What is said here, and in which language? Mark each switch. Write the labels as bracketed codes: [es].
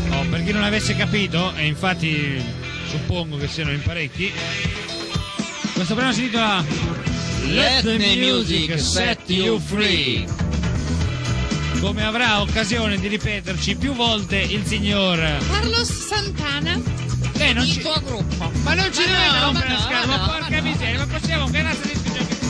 [it] Per chi non avesse capito, e infatti suppongo che siano in parecchi, questo brano si intitola [en] Let the music set you free. [it] Come avrà occasione di ripeterci più volte il signor Carlos Santana. Beh, non il tuo gruppo. Ma non ci dobbiamo rompere la scala, ma porca miseria, ma possiamo ganarsi di più.